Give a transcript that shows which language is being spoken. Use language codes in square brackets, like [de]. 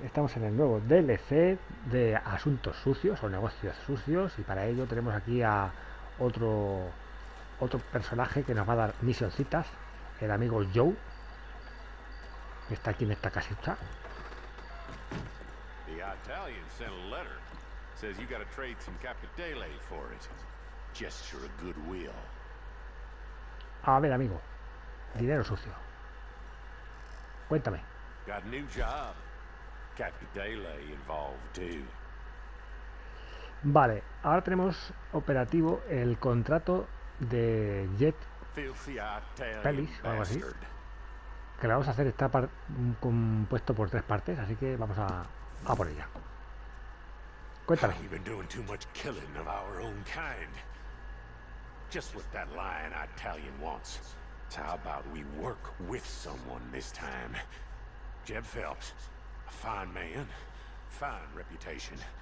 [es] Estamos en el nuevo DLC de asuntos sucios o negocios sucios y para ello tenemos aquí a otro personaje que nos va a dar misioncitas, el amigo Joe, que está aquí en esta casita. [en] The Italian sent a letter. Says you gotta trade some Capitale for it. Gesture of goodwill. [es] A ver, amigo, dinero sucio. Cuéntame. [en] Got a new job. Capitale involved too. [es] Vale, ahora tenemos operativo el contrato de Jet Pelis o algo así. Que la vamos a hacer, está compuesto por tres partes, así que vamos a por ella. Cuéntame. [en] We've been doing too much killing of our own kind. Just what that lying Italian wants. So how about we work with someone this time? Jeb Phelps, a fine man, fine reputation.